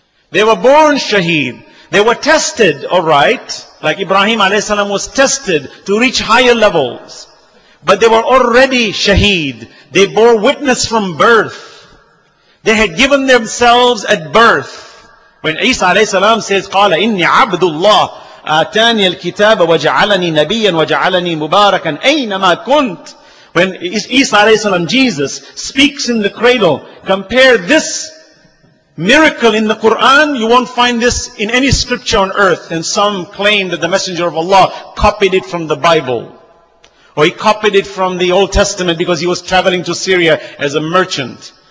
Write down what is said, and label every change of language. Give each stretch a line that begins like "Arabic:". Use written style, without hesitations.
English: They were born shaheed. They were tested, alright. Like Ibrahim alayhi salam was tested to reach higher levels. But they were already shaheed. They bore witness from birth. They had given themselves at birth. When Isa alayhi salam says,
Arabic: قَالَ إِنِّي عَبْدُ اللَّهِ آتاني الكتاب وجعلني نبيا وجعلني مباركا أينما كنت.
English: When Isa alayhi salam, Jesus, speaks in the cradle, compare this miracle in the Quran, you won't find this in any scripture on earth. And some claim that the Messenger of Allah copied it from the Bible. Or he copied it from the Old Testament because he was traveling to Syria as a merchant.